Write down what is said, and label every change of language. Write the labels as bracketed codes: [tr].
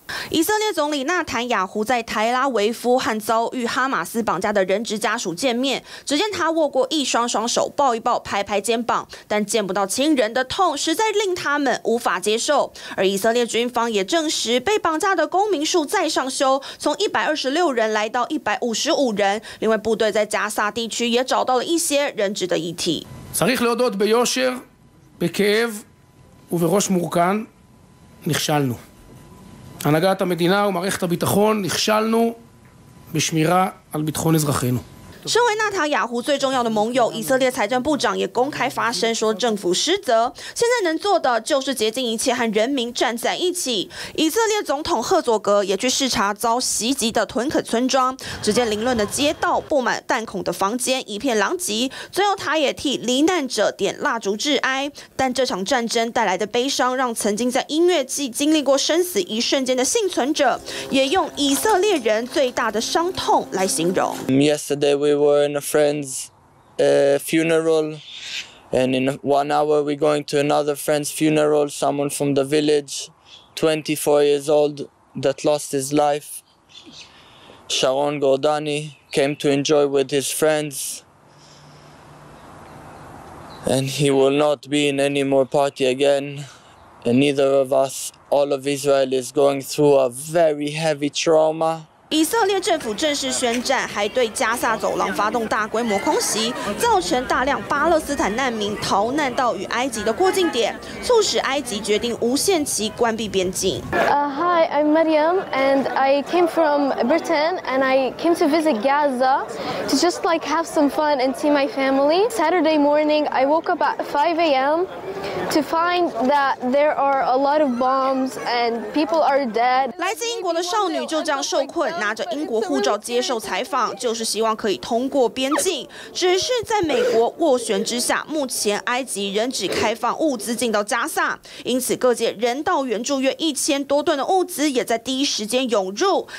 [zh] 以色列总理纳坦雅胡在台拉维夫和遭遇哈马斯绑架的人质家属见面，只见他握过一双双手，抱一抱，拍拍肩膀，但见不到亲人的痛实在令他们无法接受。而以色列军方也证实，被绑架的公民数再上修，从126人来到155人。另外，部队在加萨地区也找到了一些人质的遗体。 [he] צריך להודות ביושר, בכאב ובראש מורכן, נכשלנו. הנהגת המדינה ומערכת הביטחון נכשלנו בשמירה על ביטחון אזרחינו. [zh] 身为纳塔雅胡最重要的盟友，以色列财政部长也公开发声说政府失责，现在能做的就是竭尽一切和人民站在一起。以色列总统赫佐格也去视察遭袭击的屯垦村庄，只见凌乱的街道，布满弹孔的房间一片狼藉，最后他也替罹难者点蜡烛致哀。但这场战争带来的悲伤，让曾经在音乐季经历过生死一瞬间的幸存者也用以色列人最大的伤痛来形容。 [en] We were in a friend's funeral, and in 1 hour we're going to another friend's funeral, someone from the village, 24 years old, that lost his life. Sharon Gordani came to enjoy with his friends, and he will not be in any more party again, and neither of us all of Israel is going through a very heavy trauma. [zh] 以色列政府正式宣战，还对加萨走廊发动大规模空袭，造成大量巴勒斯坦难民逃难到与埃及的过境点，促使埃及决定无限期关闭边境。 [en] Hi, I'm Mariam, and I came from Britain, and I came to visit Gaza to just like have some fun and see my family. Saturday morning, I woke up at 5 a.m. to find that there are a lot of bombs and people are dead. [zh] 来自英国的少女就这样受困。拿着英国护照接受采访，就是希望可以通过边境。只是在美国斡旋之下，目前埃及仍只开放物资进到加萨，因此各界人道援助约1000多吨的物资也在第一时间涌入。